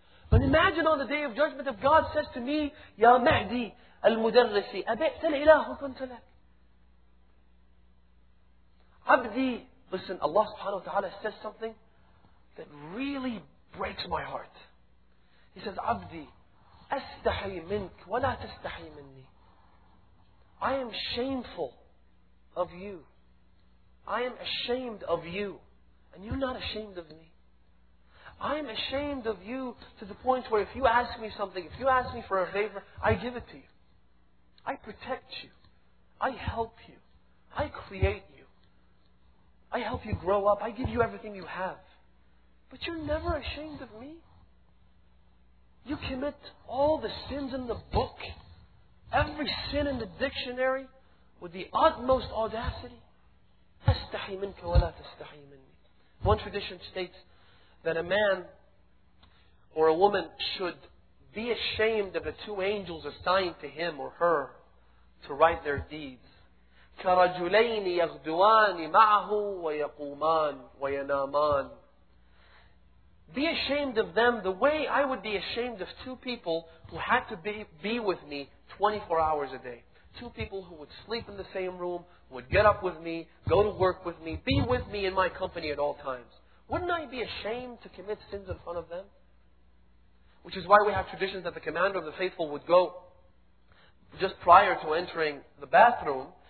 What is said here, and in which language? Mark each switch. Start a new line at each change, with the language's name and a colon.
English: But imagine on the day of judgment, if God says to me, Ya Mahdi al-Mudarrisi,
Arabic: أَبِئْتَ الْإِلَهُ كُنْتَ لَكَ.
English: Abdi, listen, Allah subhanahu wa ta'ala says something that really breaks my heart. He says, Abdi,
Arabic: أَسْتَحِي مِنْكَ وَلَا تَسْتَحِي مِنِّي.
English: I am shameful of you. I am ashamed of you. And you're not ashamed of me. I am ashamed of you to the point where if you ask me something, if you ask me for a favor, I give it to you. I protect you. I help you. I create you. I help you grow up. I give you everything you have. But you're never ashamed of me. You commit all the sins in the book, every sin in the dictionary, with the utmost audacity.
Arabic: أستحي منك ولا تستحي مني.
English: One tradition states that a man or a woman should be ashamed of the two angels assigned to him or her to write their deeds.
Arabic: كرجلين يغدوان معه ويقومان وينامان.
English: Be ashamed of them the way I would be ashamed of two people who had to be with me 24 hours a day. Two people who would sleep in the same room, would get up with me, go to work with me, be with me in my company at all times. Wouldn't I be ashamed to commit sins in front of them? Which is why we have traditions that the commander of the faithful would go just prior to entering the bathroom.